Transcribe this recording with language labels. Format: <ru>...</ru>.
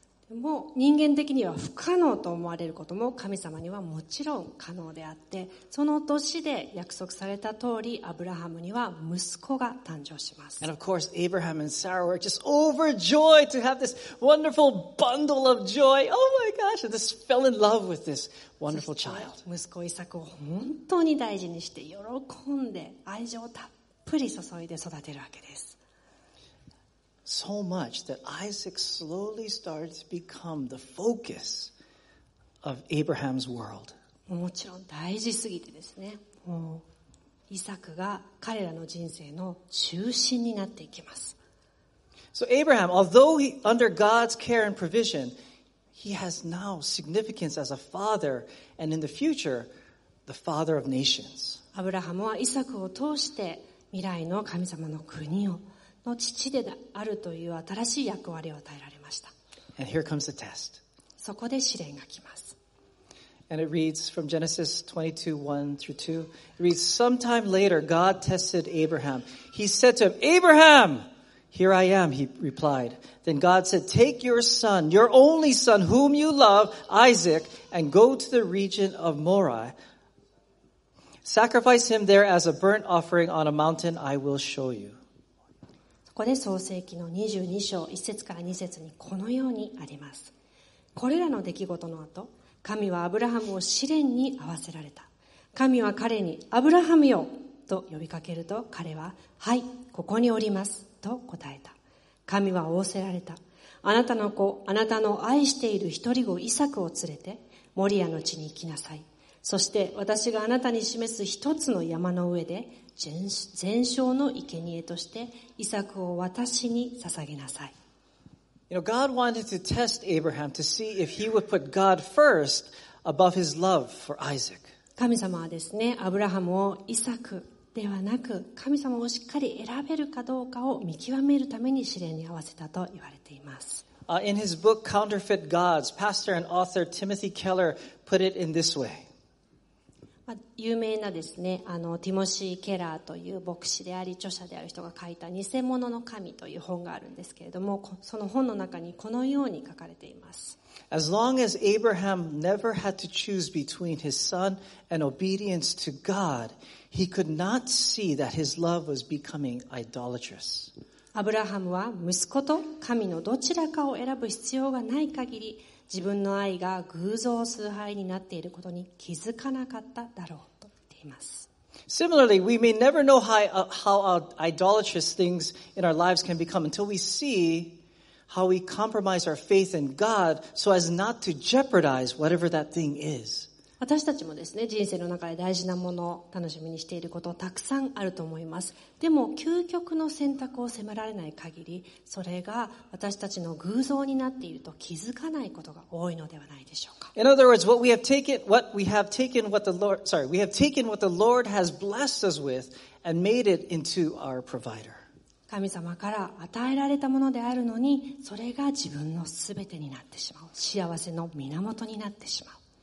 <ja>もう人間的には不可能と思われることも神様にはもちろん可能であって、その年で約束された通りアブラハムには息子が誕生します。</ja> <en>And of course, Abraham and Sarah were just overjoyed to have this wonderful bundle of joy. Oh my gosh, they just fell in love with this wonderful child.</en> <ja>息子イサクを本当に大事にして喜んで愛情をたっぷり注いで育てるわけです。</ja> <en>So much that Isaac slowly started to become the focus of Abraham's world.</en> <ja>もちろん大事すぎてですね。もうイサクが彼らの人生の中心になっていきます。</ja> <en>So Abraham, although he under God's care and provision, he has now significance as a father and in the future, the father of nations.</en> <ja>アブラハムはイサクを通して未来の神様の国をの父であるという新しい役割を与えられました。</ja> <en>And here comes the test.</en> <ja>そこで試練が来ます。</ja> <en>And it reads from Genesis 22:1-2. It reads, "Sometime later, God tested Abraham. He said to him, 'Abraham, here I am,' he replied. Then God said, 'Take your son, your only son, whom you love, Isaac, and go to the region of Moriah. Sacrifice him there as a burnt offering on a mountain I will show you.'</en> <ja>ここで創世記の22章1節から2節にこのようにあります。これらの出来事の後、神はアブラハムを試練に合わせられた。神は彼にアブラハムよと呼びかけると、彼ははい、ここにおりますと答えた。神は仰せられた。あなたの子、あなたの愛している一人子イサクを連れてモリアの地に行きなさい。そして私があなたに示す一つの山の上で全焼の生贄としてイサクを私に捧げなさい。</ja> <en>You know, God wanted to test Abraham to see if he would put God first above his love for Isaac.</en> <ja>神様はですね、アブラハムをイサクではなく神様をしっかり選べるかどうかを見極めるために試練に合わせたと言われています。</ja> <en>In his book Counterfeit Gods, pastor and author Timothy Keller put it in this way.</en> <ja>有名なですね、ティモシー・ケラーという牧師であり著者である人が書いた偽物の神という本があるんですけれども、その本の中にこのように書かれています。</ja> <en>As long as Abraham never had to choose between his son and obedience to God, he could not see that his love was becoming idolatrous.</en> <ja>アブラハムは息子と神のどちらかを選ぶ必要がない限り、自分の愛が偶像崇拝になっていることに気づかなかっただろうと言っています。</ja> <en>Similarly, we may never know how idolatrous things in our lives can become until we see how we compromise our faith in God so as not to jeopardize whatever that thing is.</en> <ja>私たちもですね、人生の中で大事なものを楽しみにしていることたくさんあると思います。でも究極の選択を迫られない限り、それが私たちの偶像になっていると気づかないことが多いのではないでしょうか。</ja> <en>In other words, we have taken what the Lord has blessed us with and made it into our provider.</en> <ja>神様から与えられたものであるのに、それが自分のすべてになってしまう。幸せの源になってしまう。</ja>